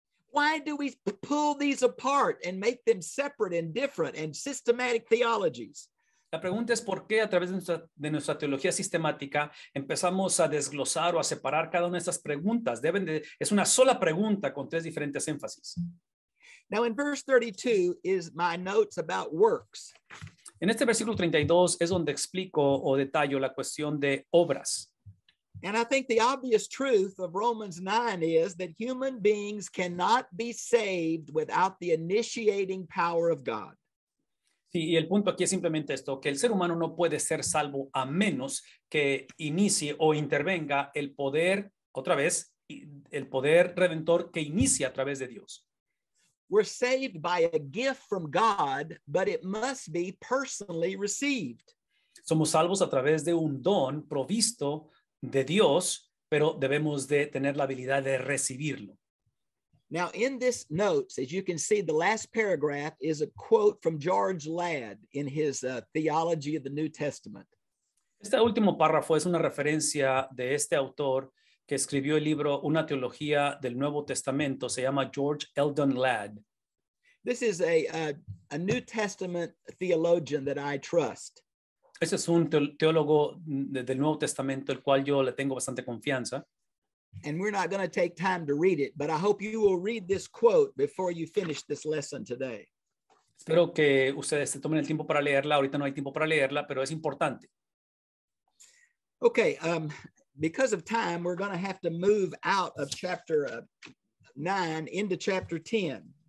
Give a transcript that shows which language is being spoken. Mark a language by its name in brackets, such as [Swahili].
[English] Why do we pull these apart and make them separate and different and systematic theologies? [Spanish] La pregunta es por qué a través de nuestra teología sistemática empezamos a desglosar o a separar cada una de estas preguntas. Es una sola pregunta con tres diferentes énfasis. [English] Now in verse 32 is my notes about works. [Spanish] En este versículo 32 es donde explico o detallo la cuestión de obras. [English] And I think the obvious truth of Romans 9 is that human beings cannot be saved without the initiating power of God. [Spanish] Sí, y el punto aquí es simplemente esto, que el ser humano no puede ser salvo a menos que inicie o intervenga el poder, otra vez, el poder redentor que inicia a través de Dios. [English] We're saved by a gift from God, but it must be personally received. [Spanish] Somos salvos a través de un don provisto de Dios, pero debemos de tener la habilidad de recibirlo. [English] Now, in this notes, as you can see, the last paragraph is a quote from George Ladd in his Theology of the New Testament. [Spanish] Este último párrafo es una referencia de este autor que escribió el libro Una Teología del Nuevo Testamento, se llama George Eldon Ladd. [English] This is a New Testament theologian that I trust. [Spanish] Ese es un teólogo del Nuevo Testamento, el cual yo le tengo bastante confianza. [English] And we're not going to take time to read it, but I hope you will read this quote before you finish this lesson today. [Spanish] Espero que ustedes se tomen el tiempo para leerla. Ahorita no hay tiempo para leerla, pero es importante. [English] Okay, because of time, we're going to have to move out of chapter 9 into chapter 10.